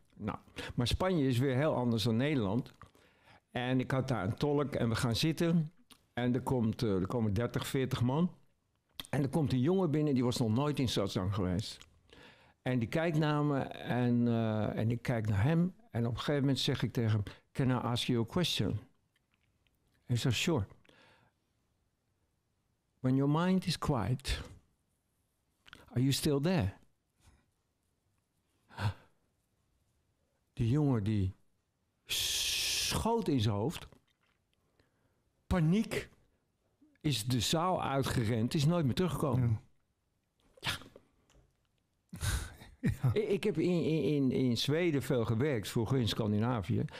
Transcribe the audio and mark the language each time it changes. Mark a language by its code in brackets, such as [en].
[nl] Nou, maar Spanje is weer heel anders dan Nederland. En ik had daar een tolk en we gaan zitten. En er komen 30, 40 man. En er komt een jongen binnen, die was nog nooit in satsang geweest. En die kijkt naar me en ik kijk naar hem. En op een gegeven moment zeg ik tegen hem, [en] can I ask you a question? [nl] En hij zegt, sure. [en] When your mind is quiet, are you still there? [nl] Die jongen die schoot in zijn hoofd. Paniek. Is de zaal uitgerend, is nooit meer teruggekomen. Ja. Ik heb in Zweden veel gewerkt, vroeger in Scandinavië.